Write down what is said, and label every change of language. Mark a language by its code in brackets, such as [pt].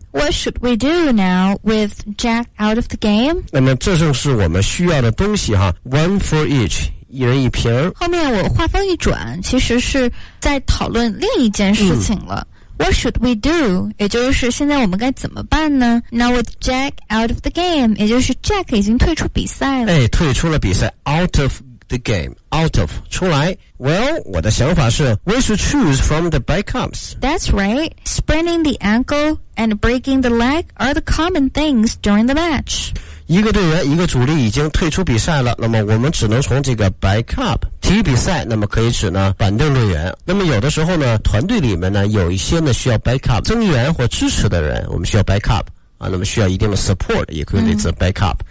[en] What should we do now with Jack out of the game? [zh] 那么这正是我们需要的东西哈。 [en] One for each. [zh] 一人一瓶。后面我话锋一转，其实是在讨论另一件事情了。 [en] What should we do? [zh] 也就是现在我们该怎么办呢？ [en] Now with Jack out of the game， [zh] 也就是 Jack 已经退出比赛了。哎，退出了比赛。 [en] Out of the game， out of [zh] 出来。 [en] Well， [zh] 我的想法是 [en] We should choose from the backups. That's right. Spraining the ankle and breaking the leg are the common things during the match. [zh] 一个队员一个主力已经退出比赛了，那么我们只能从这个 backup体育比赛，那么可以指呢板凳队员。那么有的时候呢，团队里面呢有一些呢需要 backup 增援或支持的人，我们需要 backup 啊，那么需要一定的 support 也可以用这个 backup。